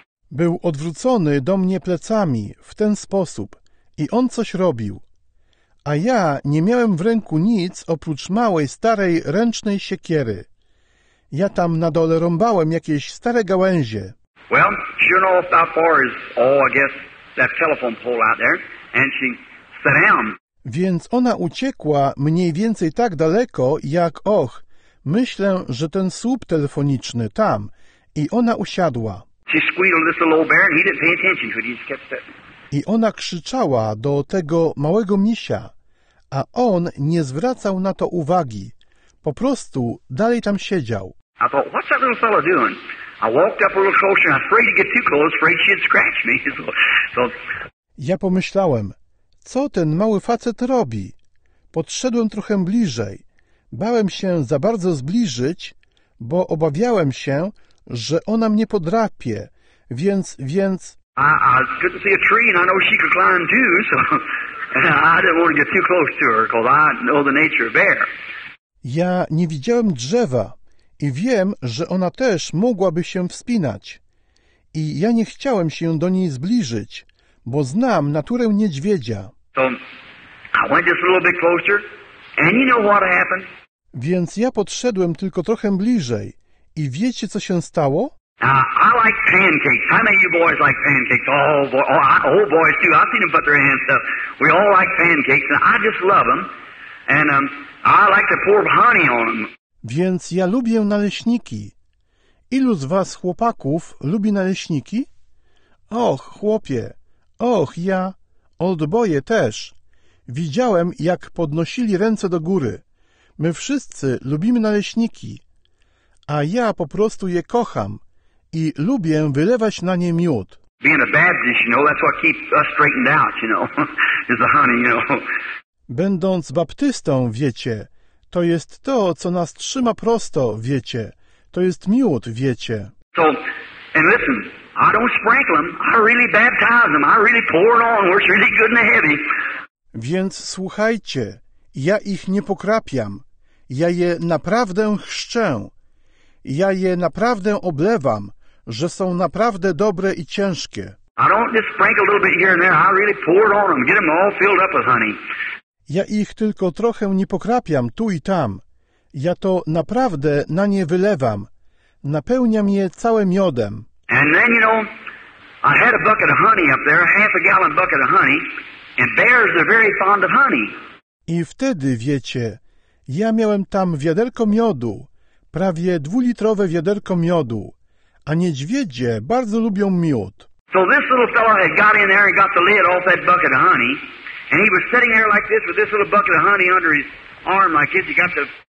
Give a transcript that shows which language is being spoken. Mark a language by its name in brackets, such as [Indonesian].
[Polish] Był odwrócony do mnie plecami w ten sposób i on coś robił. A ja nie miałem w ręku nic oprócz małej, starej, ręcznej siekiery. Ja tam na dole rąbałem jakieś stare gałęzie. [English] Well, sure enough, how far is all, I guess, that telephone pole out there, and she sat down. [Polish] Więc ona uciekła mniej więcej tak daleko, jak, och, myślę, że ten słup telefoniczny tam, i ona usiadła. [English] She squealed this little old bear, and he didn't pay attention to it, he just kept sitting. [Polish] I ona krzyczała do tego małego misia, a on nie zwracał na to uwagi. Po prostu dalej tam siedział. [English] I thought, what's that little fellow doing? I walked up a little closer and I was afraid to get too close, afraid she'd scratch me. So. [Polish] Ja pomyślałem, co ten mały facet robi? Podszedłem trochę bliżej. Bałem się za bardzo zbliżyć, bo obawiałem się, że ona mnie podrapie. Więc. [English] I couldn't see a tree and I know she could climb too, so I didn't want to get too close to her because I know the nature of bear. [Polish] Ja nie widziałem drzewa. I wiem, że ona też mogłaby się wspinać. I ja nie chciałem się do niej zbliżyć, bo znam naturę niedźwiedzia. [English] So, I went just a little bit closer, and you know what happened? [Polish] Więc ja podszedłem tylko trochę bliżej. I wiecie, co się stało? [English] I like pancakes. How many of you boys like pancakes? Old boys too. I've seen them put their hands up. We all like pancakes, and I just love them. And I like to pour honey on them. [Polish] Więc ja lubię naleśniki. Ilu z was, chłopaków, lubi naleśniki? Och, chłopie. Och, ja. Oldboye też. Widziałem, jak podnosili ręce do góry. My wszyscy lubimy naleśniki. A ja po prostu je kocham. I lubię wylewać na nie miód. [English] Being a Baptist, you know, that's what keeps us straightened out, you know. Is the honey, you know. [Polish] Będąc baptystą, wiecie, to jest to, co nas trzyma prosto, wiecie. To jest miód, wiecie. [English] So, and listen, I don't sprinkle them, I really baptize them, I really pour it on where it's really good and heavy. [Polish] Więc słuchajcie, ja ich nie pokrapiam, ja je naprawdę chrzczę, ja je naprawdę oblewam, że są naprawdę dobre i ciężkie. [English] I don't just sprinkle a little bit here and there, I really pour it on them, get them all filled up with honey. [Polish] Ja ich tylko trochę nie pokrapiam tu i tam. Ja to naprawdę na nie wylewam. Napełniam je całe miodem. [English] And then, you know, I had a bucket of honey up there, a half a gallon bucket of honey, and bears are very fond of honey. [Polish] I wtedy, wiecie, ja miałem tam wiaderko miodu, prawie dwulitrowe wiaderko miodu, a niedźwiedzie bardzo lubią miód. [English] So this little fellow had got in there and got the lid off that bucket of honey. And he was sitting there like this with this little bucket of honey under his arm like this. He got the...